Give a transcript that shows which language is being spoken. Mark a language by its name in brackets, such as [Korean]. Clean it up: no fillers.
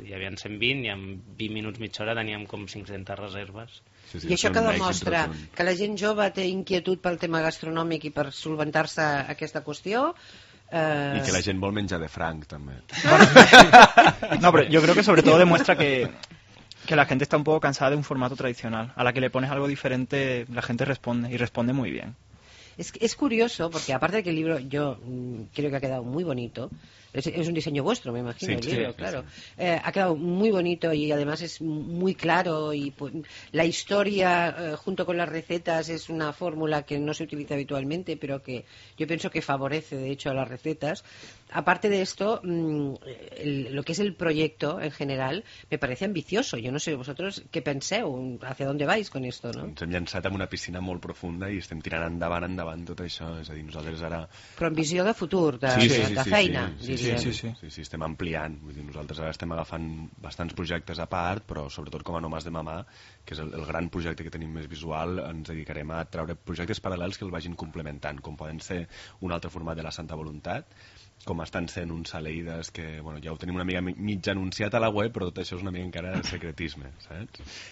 [Catalan] Hi havia 120 i en 20 minuts, mitja hora, teníem com 500 reserves. Sí, sí, i això que demostra que la gent jove té inquietud pel tema gastronòmic i per solventar-se aquesta qüestió I que la gent vol menjar de franc també. No, però jo crec que sobretot demostra que la gent està un poc cansada d'un format tradicional. [Spanish] A la que le pones algo diferente la gent responde, i responde muy bien. Es curioso, porque aparte de que el libro yo creo que ha quedado muy bonito, es un diseño vuestro, me imagino, sí, el libro, sí, claro, sí. Ha quedado muy bonito y además es muy claro y pues, la historia junto con las recetas es una fórmula que no se utiliza habitualmente, pero que yo pienso que favorece, de hecho, a las recetas. Aparte de esto, lo que es el proyecto en general me parece ambicioso. Yo no sé vosotros qué penseu, hacia dónde vais con esto, ¿no? [Catalan] Ens hem llançat en una piscina molt profunda i estem tirant endavant tot això, és a dir, nosaltres ara... Però amb visió de futur, de feina, sí, estem ampliant. Vull dir, nosaltres ara estem agafant bastants projectes a part, però sobretot com a Nomàs de Mamà, que és el gran projecte que tenim més visual, ens dedicarem a treure projectes paral·lels que el vagin complementant, com poden ser un altre format de la Santa Voluntat, com estan sent uns Saleïdes, que bueno, ja ho tenim una mica mig anunciat a la web, però tot això és una mica encara secretisme, saps?